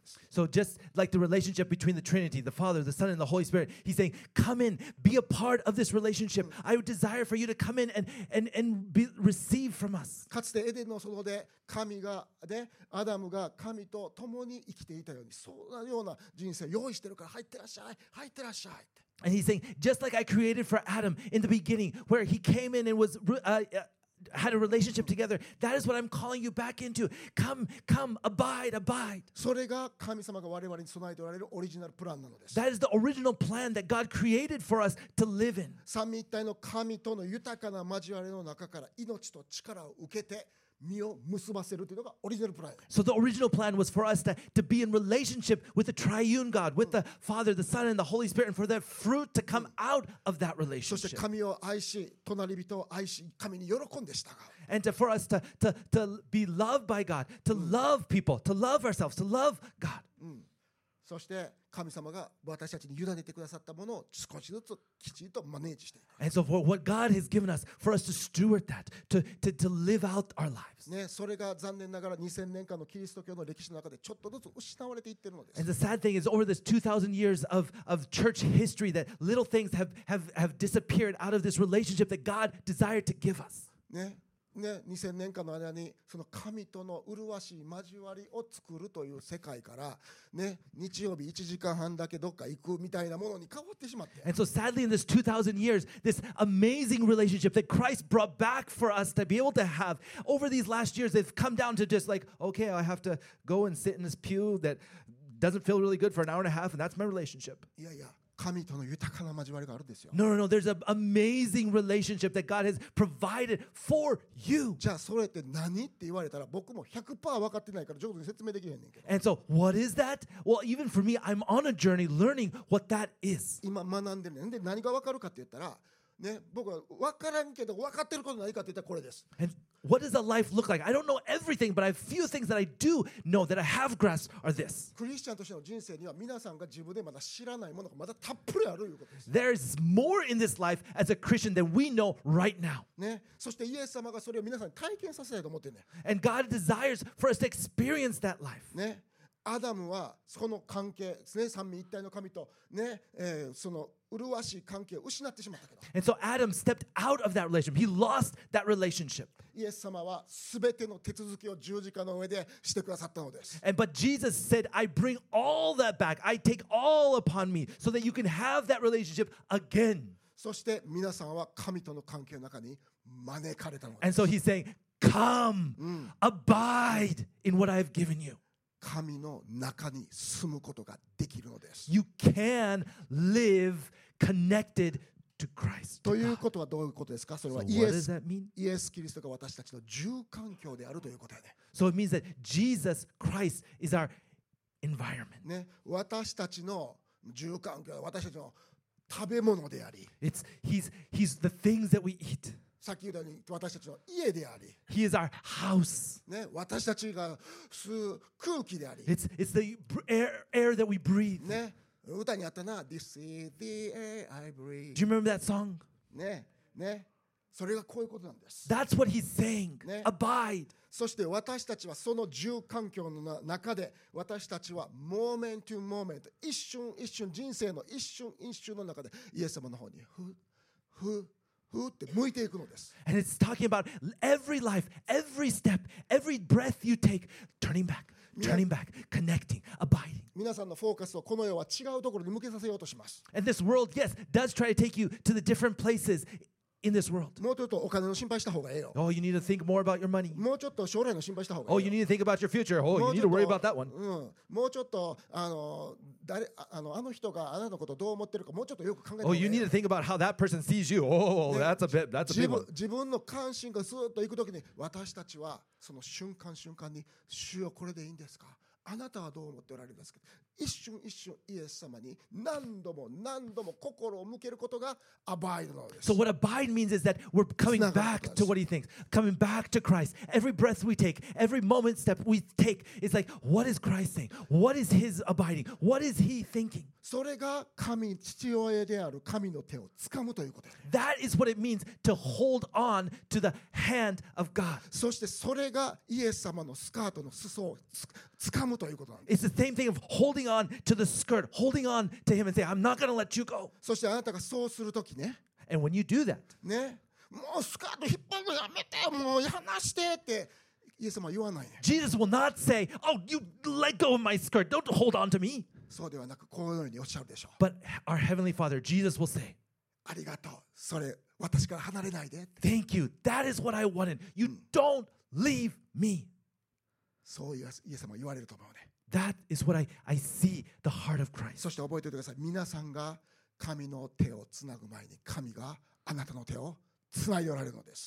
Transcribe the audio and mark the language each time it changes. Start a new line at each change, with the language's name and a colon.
English: So just like the relationship between the Trinity, the Father, the Son, and the Holy Spirit, he's saying, come in, be a part of this relationship. I would desire for you to come in and be, receive from us.
Japanese: かつてエデンの園で神が、ね、アダムが神と共に生きていたように、そんなような人生用意してるから入ってらっしゃい、入ってらっしゃいって。
English: And he's saying, just like I created for Adam in the beginning, where he came in and was... had a relationship together. That is what I'm calling you back into. Come, come, abide, abide.
Japanese: それが神様が我々に備えておられるオリジナルプランなのです。
English: That is the original plan that God created for us to live in.
Japanese: 三位一体の神との豊かな交わりの中から命と力を受けて身を結ばせるというのがオリジナルプラン。
English: So the original plan was for us to be in relationship with the triune God, with the Father, the Son, and the Holy Spirit, and for that fruit to come out of that relationship.
Japanese: そして神を愛し、隣人を愛し、神に喜んで従う。
English: And to, for us to be loved by God, to love people, to love ourselves, to love God.
Japanese: そして神様が私たちに委ねてくださったものを少しずつきちんとマネージしていく。
English: And so for what God has given us, for us to steward that, to live out our lives.
Japanese: ね、それが残念ながら2000年間のキリスト教の歴史の中でちょっとずつ失われていってるのです。
English: And the sad thing is, over this 2000 years of church history, that little things have disappeared out of this relationship that God desired to give us.
Japanese: ね。ね、2000年間の間にその神との麗しい交わりを作るという世界から、ね、日曜日1時間半だけどっか行くみたいなものに変わってしまって。
English: And so sadly in this 2000 years, this amazing relationship that Christ brought back for us to be able to have over these last years, they've come down to just like, okay, I have to go and sit in this pew that doesn't feel really good for an hour and a half, and that's my relationship.
Japanese: いやいや。神との豊かな交わりがあるんですよ。
English: No. There's an amazing relationship that God has provided for you.
Japanese: じゃあそれって何って言われたら僕も 100% 分かってないから上手に説明できへんねんけど。
English: And so what is that? Well, even for me, I'm on a journey learning what that is.
Japanese: 今学んでるねん。で何が分かるかって言ったら、ね、僕は分からんけど分かってること何かって言ったらこれです。
English: And what does a life look like? I don't know everything, but a few things that I do know that I have grasped are this.
Japanese: クリスチャンとしての人生には皆さんが自分でまだ知らないものがまだたっぷりあるということです。
English: There is more in this life as a Christian than we know right now.
Japanese: ね、そしてイエス様がそれを皆さんに体験させたいと思ってね。
English: And God desires for us to experience that life.
Japanese: ね、アダムはその関係ですね、三位一体の神とね、その麗しい関係を失ってしまったけど。
English: And so Adam stepped out of that relationship. He lost that relationship.
Japanese: イエス様はすべての手続きを十字架の上でしてくださったのです。
English: And but Jesus said, I bring all that back. I take all upon me so that you can have that relationship again.
Japanese: そして皆さんは神との関係の中に招かれたのです。
English: And so he's saying, come, abide in what I have given you.
Japanese: 神の中に住むことができるのです。
English: You can live connected to Christ.
Japanese: ということはどういうことですか？それはイエス、イエスキリストが私たちの住環境であるということやね。
English: So it means that Jesus Christ is our environment.
Japanese: ね、私たちの住環境、私たちの食べ物であり。
English: It's he's the things that we eat.
Japanese: さっき言ったように私たちの家であり、
English: He is our house.
Japanese: ね、私たちが吸う空気であり、
English: It's the air that we breathe.
Japanese: ね、歌にあったな、
English: This is the air I breathe. Do you remember that song?
Japanese: ね、ね、それがこういうことなんです。
English: That's what he's saying.、ね、Abide.
Japanese: そして私たちはその住環境の中で、私たちは
English: moment to moment、
Japanese: 一瞬一瞬人生の一瞬一瞬の中でイエス様の方にって向いていくのです。
English: And it's talking about every life, every step, every breath you take, turning back, connecting, abiding.
Japanese: 皆さんのフォーカスをこの世は違うところに向けさせようとします。
English: And this world, yes, does try to take you to the different places in this world.
Japanese: もうちょっとお金の心配した方がいいよ。
English: Oh, you need to think more about your money.
Japanese: もうちょっと将来の心配した方がいい
English: よ。Oh, you need to think about your future. Oh, you need to worry about that one.
Japanese: もうちょっとあの人があなたのことどう思ってるかもうちょっとよく考えて
English: みよう。Oh, you need to think about how that person sees you. Oh, that's a bit. That's a big one.
Japanese: 自分の関心がずっと行くときに私たちはその瞬間瞬間に主よこれでいいんですか。あなたはどう思っておられますか。一瞬一瞬イエス様に何度も何度も心を向けることがアバイドのです。
English: So what abide means is that we're coming back to what he thinks, coming back to Christ. Every breath we take, every moment step we take, it's like, what is Christ saying? What is his abiding? What is he thinking?
Japanese: それが神父親である神の手を掴むということです。
English: That is what it means to hold on to the hand of God.
Japanese: そしてそれがイエス様のスカートの裾を掴むということなんです。
English: It's the same thing of holding on to the skirt, holding on to him and saying, I'm not going to let you go.
Japanese: そしてあなたがそうするときね。
English: And when you do that,
Japanese: ね、もうスカート引っ張るのやめて、もう離してって。イエス様は言わないね。
English: Jesus will not say, oh, you let go of my skirt, don't hold on to me.
Japanese: そうではなくこのようにおっしゃるでしょう。
English: But our heavenly Father Jesus will say,
Japanese: ありがとう。それ私から離れないで。
English: Thank you. That is what I wanted. You don't leave me.
Japanese: そうイエス様言われると思うね。
English: That is what I see the heart of Christ.
Japanese: そして覚えておいてください。皆さんが神の手をつなぐ前に神があなたの手をつないでおられるのです。